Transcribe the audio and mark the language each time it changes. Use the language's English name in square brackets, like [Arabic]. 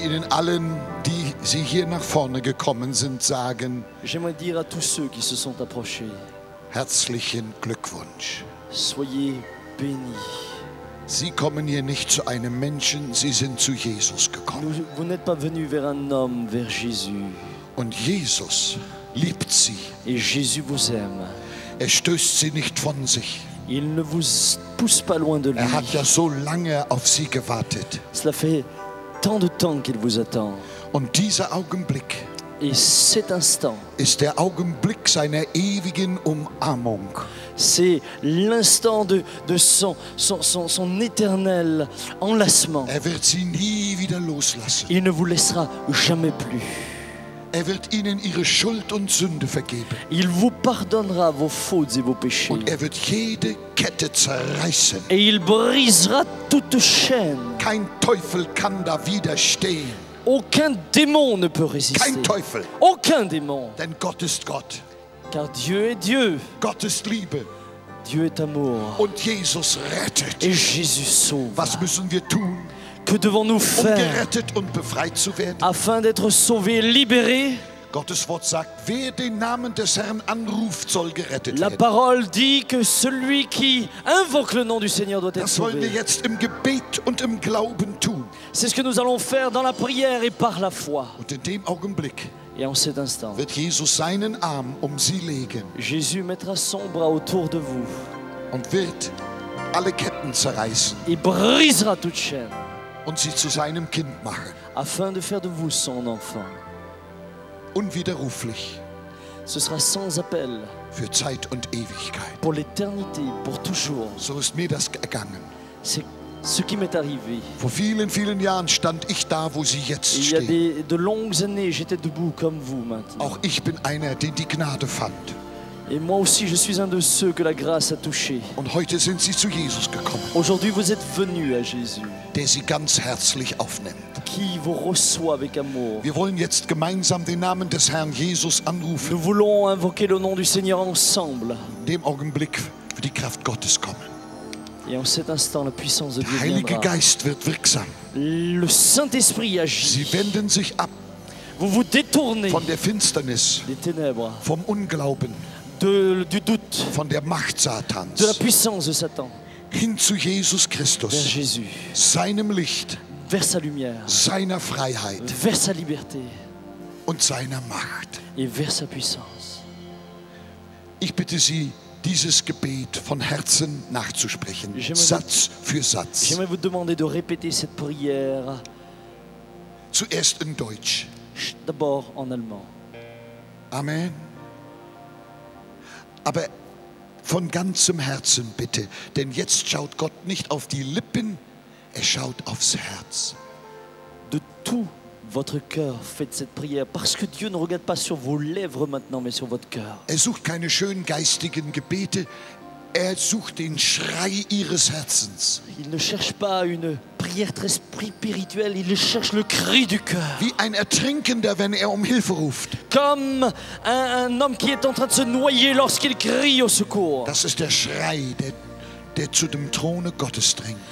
[German] Allen, die sie hier nach vorne gekommen sind, sagen: [French] J'aimerais dire à tous ceux qui se sont approchés. [German] Herzlichen Glückwunsch. [French] Soyez bénis. [German] Sie kommen hier nicht zu einem Menschen, Sie sind zu Jesus gekommen. [French] Vous n'êtes pas venu vers un homme, vers Jésus. [German] Und Jesus liebt Sie. [French] Et Jésus vous aime. [German] Er stößt Sie nicht von sich. [French] Il ne vous pousse pas loin de lui. [German] Er hat ja so lange auf Sie gewartet. [French] Cela fait tant de temps qu'il vous attend. [German] Und dieser Augenblick [French] et cet instant [German] ist der Augenblick seiner ewigen Umarmung. [French] C'est l'instant de son éternel enlacement. [German] Er wird sie nie wieder loslassen. [French] Il ne vous laissera jamais plus. [German] Er wird ihnen ihre Schuld und Sünde vergeben. [French] Il vous pardonnera vos fautes et vos péchés. [German] Und er wird jede Kette zerreißen. [French] Et il brisera toute chaîne. [German] Kein Teufel kann da widerstehen. [French] Aucun démon ne peut résister. [German] Kein Teufel. [French] Aucun démon. [German] Denn Gott ist Gott. [French] Car Dieu est Dieu. [German] Gott ist Liebe. [French] Dieu est amour. [German] Und Jesus rettet. [French] Et Jésus sauve. [German] Was müssen wir tun? [French] Que devons-nous faire? [German] Um gerettet und befreit zu werden. [French] Afin d'être sauvé et libéré. [German] Gottes Wort sagt, wer den Namen des Herrn anruft, soll gerettet werden. [French] La parole dit que celui qui invoque le nom du Seigneur doit être sauvé. [German] Das wollen wir jetzt im Gebet und im Glauben tun. [French] C'est ce que nous allons faire dans la prière et par la foi. [German] Und in dem Augenblick [French] et en cet instant [German] wird Jesus seinen Arm um sie legen. [French] Jésus mettra son bras autour de vous. [German] Und wird alle Ketten zerreißen. [French] Il brisera toute chaîne. [German] Und sie zu seinem Kind machen. [French] Afin de faire de vous son enfant. [German] Unwiderruflich. [French] Ce sera sans appel. [German] Für Zeit und Ewigkeit. [French] Pour l'éternité, pour toujours. [German] So ist mir das ergangen. [French] C'est ce qui m'est arrivé. [German] Vor vielen, vielen Jahren stand ich da, wo Sie jetzt stehen. [French] Il y a de longues années, j'étais debout comme vous maintenant. [German] Auch ich bin einer, den die Gnade fand. [French] Et moi aussi, je suis un de ceux que la grâce a touché. [German] Und heute sind Sie zu Jesus gekommen. [French] Aujourd'hui, vous êtes venu à Jésus. [German] Der Sie ganz herzlich aufnimmt. [French] Qui vous reçoit avec amour. [German] Wir wollen jetzt gemeinsam den Namen des Herrn Jesus anrufen. [French] Nous voulons invoquer le nom du Seigneur ensemble. [German] In dem Augenblick wird die Kraft Gottes kommen. [French] Et en cet instant, la puissance de Dieu viendra. [German] Geist wird wirksam. [French] Le Saint-Esprit agit. [German] Sie wenden sich ab. [French] Vous vous détournez. [German] Von der Finsternis. [French] Des ténèbres. [German] Vom Unglauben. [French] Du doute. [German] Von der Macht Satans. [French] De la puissance de Satan. [German] Hin zu Jesus Christus. [French] Vers Jésus. [German] Seinem Licht. [French] Vers sa lumière. [German] Seiner Freiheit. [French] Vers sa liberté. [German] Und seiner Macht. [French] Et vers sa puissance. [German] Ich bitte Sie, dieses Gebet von Herzen nachzusprechen. Satz für Satz. [French] J'aimerais vous demander de répéter cette prière. [German] Zuerst in Deutsch. [French] D'abord en allemand. Amen. [German] Aber von ganzem Herzen bitte, denn jetzt schaut Gott nicht auf die Lippen, er schaut aufs Herz. [French] De tout votre cœur faites cette prière, parce que Dieu ne regarde pas sur vos lèvres maintenant, mais sur votre cœur. [German] Er sucht keine schönen geistigen Gebete, er sucht den Schrei ihres Herzens. [French] Il ne cherche pas une prière très spirituelle, il cherche le cri du cœur. [German] Wie ein Ertrinkender, wenn er um Hilfe ruft. [French] Comme un homme qui est en train de se noyer lorsqu'il crie au secours. [German] Das ist der Schrei, der zu dem Throne Gottes drängt.